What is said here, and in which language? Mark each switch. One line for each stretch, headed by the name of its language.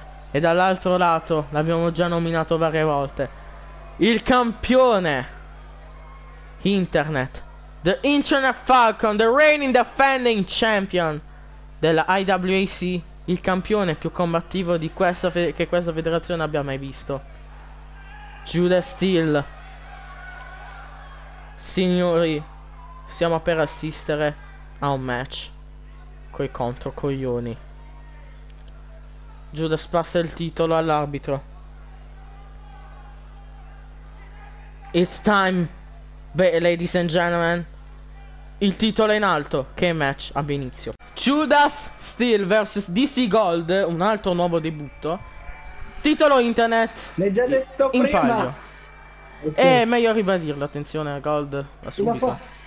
Italian: E dall'altro lato, l'abbiamo già nominato varie volte, il campione Internet, The Internet Falcon,
English: the reigning defending champion
Italian: della IWAC, il campione più combattivo di questa che questa federazione abbia mai visto, Judas Steel. Signori, siamo per assistere a un match coi contro coglioni. Judas passa il titolo all'arbitro.
English: It's time, ladies and gentlemen.
Italian: Il titolo in alto, che match abbia inizio. Judas Steel vs DC Gold, un altro nuovo debutto. Titolo Internet. L'hai già detto in prima. Palio. Okay. È meglio ribadirlo, attenzione a Gold. Va subito.